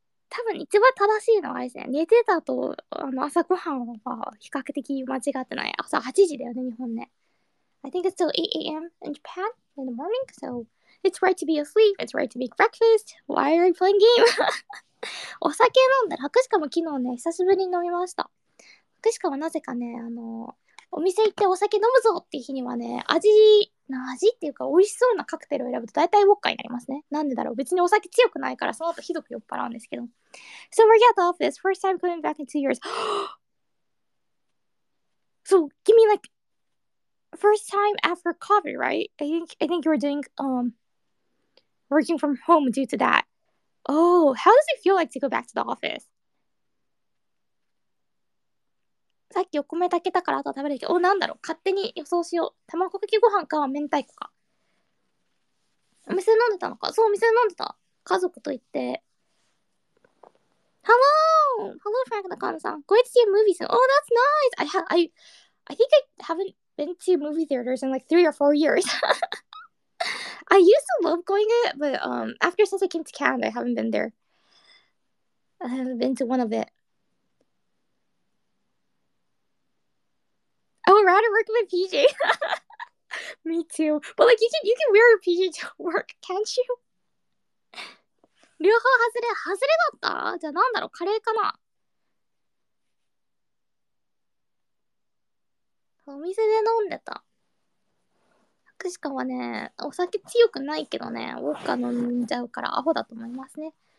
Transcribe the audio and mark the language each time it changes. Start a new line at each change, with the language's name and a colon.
Japanese: 多分一番正しいのはですね。寝てたと朝ごはんは比較的間違ってない。朝8時だよね、日本ね。
English: I think it's still 8 a.m. in Japan in the morning, so it's right to be asleep, it's right to make breakfast. Why are you playing game?
Japanese: お酒飲んだら、白鹿も昨日ね、久しぶりに飲みました。白鹿はなぜかね、お店行ってお酒飲むぞっていう日にはね、味っていうか美味しそうなカクテルを選ぶと大体ウォッカになりますね。なんでだろう、別にお酒強くないからその後ひどく酔っ払うんですけど。
English: So we're at the office, first time coming back in 2 years. So, give me like... First time after COVID, right? I think you were doing, working from home due to that. Oh, how does it feel like to go back to the office?
Japanese: さっきお米炊けたからあとは食べるけど、お、なんだろう、勝手に予想しよう。卵かけご飯か、明太子か。お店飲んでたのか。そう、お店飲んでた。家族と行って。
English: Hello! Hello, Frank Nakano-san. Going to see a movie soon. Oh, that's nice! I think I haven't... been to movie theaters in like 3 or 4 years. I used to love going it, but after since I came to Canada, I haven't been there. I haven't been to one of it. I would rather work with PJ. Me too. But like you can wear your PJ to work, can't you?
Japanese: 両方外れ、外れだった? じゃあ何だろう?カレーかな? お店で飲んでた。福士はね、お酒強くないけどね、ウォッカ飲んじゃうからアホだと思いますね。